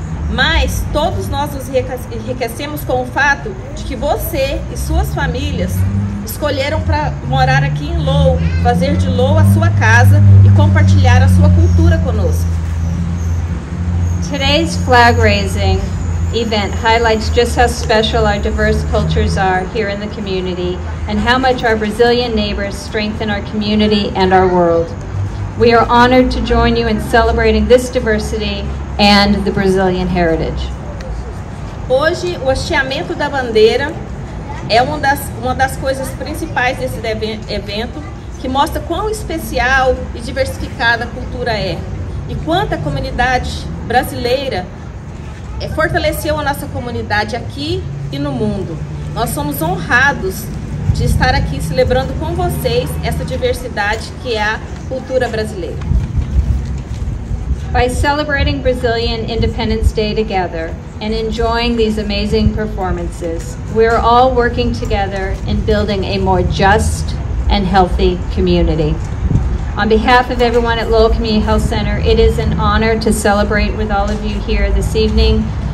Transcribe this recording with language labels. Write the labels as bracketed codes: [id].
[pt] Mas todos nós nos enriquecemos com o fato de que você e suas famílias escolheram para morar aqui em Lowell, fazer de Lowell a sua casa e compartilhar a sua cultura conosco. [en] Today's flag raising event highlights just how special our diverse cultures are here in the community and how much our Brazilian neighbors strengthen our community and our world. We are honored to join you in celebrating this diversity and the Brazilian heritage. [pt] Hoje, o hasteamento da bandeira é uma das coisas principais desse evento, que mostra quão especial e diversificada a cultura é e quanta comunidade brasileira fortaleceu a nossa comunidade aqui e no mundo. Nós somos honrados de estar aqui celebrando com vocês essa diversidade que é a cultura brasileira. [en] By celebrating Brazilian Independence Day together and enjoying these amazing performances, we're all working together in building a more just and healthy community. On behalf of everyone at Lowell Community Health Center, it is an honor to celebrate with all of you here this evening.